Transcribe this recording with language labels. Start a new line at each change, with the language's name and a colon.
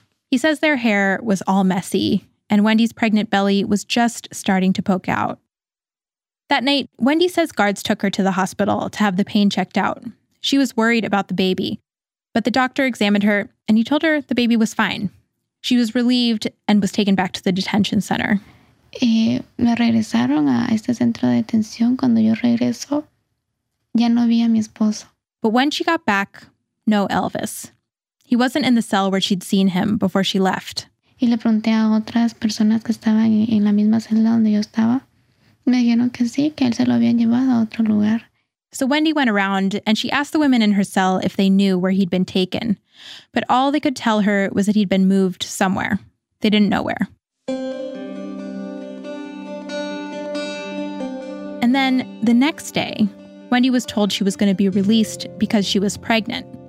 English: He says their hair was all messy and Wendy's pregnant belly was just starting to poke out. That night, Wendy says guards took her to the hospital to have the pain checked out. She was worried about the baby, but the doctor examined her and he told her the baby was fine. She was relieved and was taken back to the detention center.
Spanish: Me regresaron a este centro de detención. Cuando yo regreso, ya no vi a mi esposo.
English: But when she got back, no Elvis. He wasn't in the cell where she'd seen him before she left.
Spanish: Y le pregunté a otras personas que estaban en la misma celda donde yo estaba. Me dijeron que sí, que él se lo habían llevado a otro lugar.
English: So Wendy went around and she asked the women in her cell if they knew where he'd been taken. But all they could tell her was that he'd been moved somewhere. They didn't know where. And then the next day, Wendy was told she was going to be released because she was pregnant.